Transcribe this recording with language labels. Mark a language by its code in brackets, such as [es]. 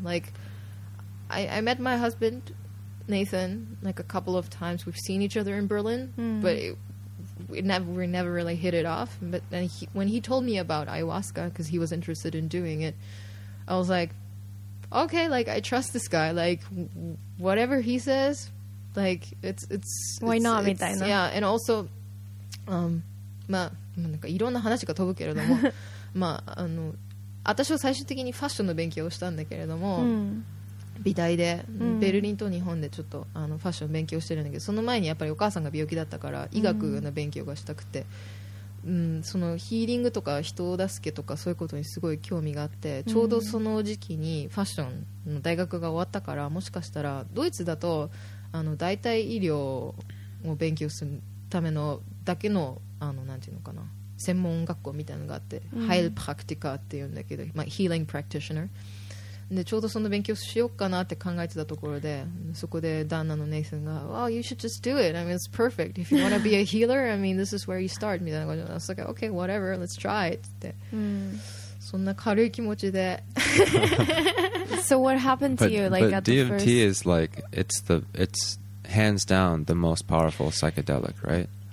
[en] Like, I met my husband... Nathan like a couple of times we've seen each other in Berlin but we never really hit it off but then when he told me about ayahuasca because he was interested in doing it I was like okay like I trust this guy like whatever he says like it's why it's, not it's, [ja] みたいな [en] yeah and also [ja] まあなんかいろんな話が飛ぶけれどもまああの私は最終的にファッションの勉強をしたんだけれども、美大でベルリンと日本でちょっとあのファッション勉強してるんだけどその前にやっぱりお母さんが病気だったから医学の勉強がしたくて、そのヒーリングとか人を助けとかそういうことにすごい興味があってちょうどその時期にファッションの大学が終わったからもしかしたらドイツだとあの代替医療を勉強するためのだけのあのなんていうのかな専門学校みたいなのがあってハイルプラクティカーっていうんだけど、まあ、ヒーリングプラクティショナーでちょうどその勉強しようかなって考えてたところでそこで旦那のネイサンが [en] Well, you should just do it. I mean, it's perfect. If you want to be a healer, I mean, this is where you start. [ja] みたいな感じで [en] I was like, okay, whatever, let's try it. [ja] って、そんな軽い気持ちで。 [en] So what happened to you? But DMT is like, it's hands down the most powerful psychedelic, right?